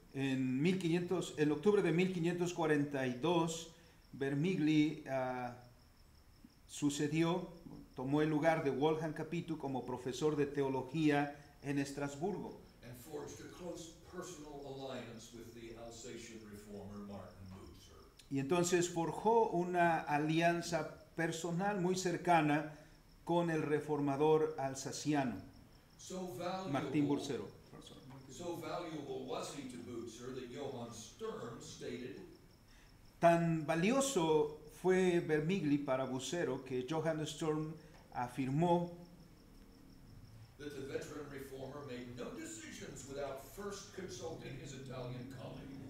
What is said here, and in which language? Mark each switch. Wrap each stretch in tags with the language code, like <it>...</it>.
<es>En octubre de 1542, Vermigli sucedió, tomó el lugar de Wolfgang Capito como profesor de teología en Estrasburgo.</es> <en>And forged a close personal alliance with the Alsatian reformer Martin Bucer.</en> <es>Y entonces forjó una alianza personal muy cercana con el reformador alsaciano.</es> <en>So valuable,</en> <es>Martín Bucero.</es> <en>So valuable was he to Bucer that Johann Sturm stated.</en> <es>Tan valioso fue Vermigli para Bucero que Johann Sturm afirmó</es> <en>that the veteran reformer made no decisions without first consulting his Italian colleague.</en>